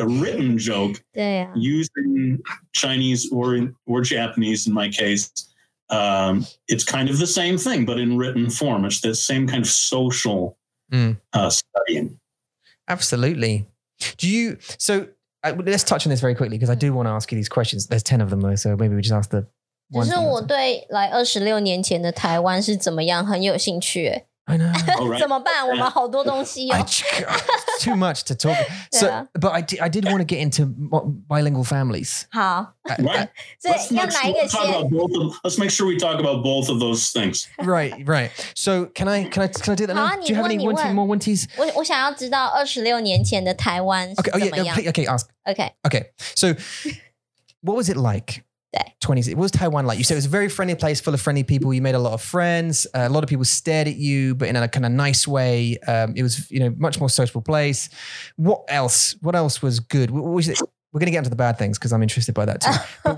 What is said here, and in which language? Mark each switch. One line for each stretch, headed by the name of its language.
English: A written joke using Chinese or Japanese, in my case. It's kind of the same thing, but in written form. It's the same kind of social studying. Absolutely. Let's touch on this very quickly because I do want to ask you these questions. There's 10 of them, though, so maybe we just ask the one.
Chinese: 就是我对 like 26 年前的台湾是怎么样很有兴趣。
English: I know.
Chinese: 怎么办？我们好多东西哦。
English: It's too much to talk. So, but I did want to get into bilingual families.
Chinese: 好。所以要哪一个先？
English: Let's make sure we talk about both of those things. Right. So can I do that now? Do you have any more wanties?
Chinese: 我想要知道 26 年前的台湾是怎么样。
English: Okay, ask. Okay. So what was it like? 20, what was Taiwan like? You said it was a very friendly place, full of friendly people. You made a lot of friends. A lot of people stared at you, but in a kind of nice way. It was, you know, much more sociable place. What else? What else was good? We're going to get into the bad things because I'm interested by that too.